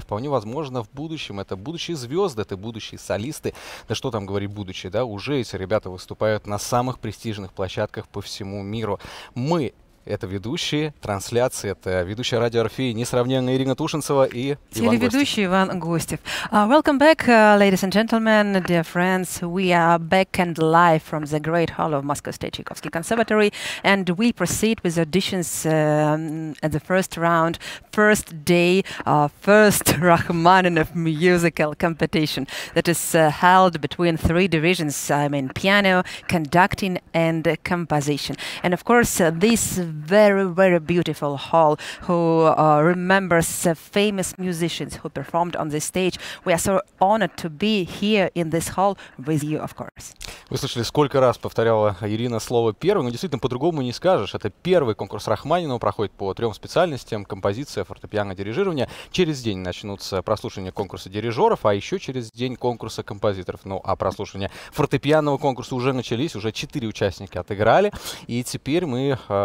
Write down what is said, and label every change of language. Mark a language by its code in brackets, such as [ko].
[ru] И вполне возможно, в будущем это будущие звезды, это будущие солисты. Да что там говорить будущее, да, уже эти ребята выступают на самых престижных площадках по всему миру. Мы... Это ведущие трансляции, это ведущая радио Орфея, несравненная Ирина Тушенцева и Иван Гостев. Телеведущий Иван Гостев. [en] Welcome back, ladies and gentlemen, dear friends. We are back and live from the great hall of Moscow State Chaikovsky Conservatory, and we proceed with auditions at the first round, first day, first Rachmaninoff musical competition that is held between three divisions, I mean piano, conducting and composition. And of course, this very, very beautiful hall who remembers famous musicians who performed on this stage. We are so honored to be here in this hall with you, of course. [ru] Вы слышали, сколько раз повторяла Ирина слово «первый», но действительно по-другому не скажешь. Это первый конкурс Рахманинова, проходит по трем специальностям: композиция, фортепиано, дирижирование. Через день начнутся прослушивания конкурса дирижеров, а еще через день конкурса композиторов. Ну, а прослушивания фортепианного конкурса уже начались, уже четыре участника отыграли, и теперь мы...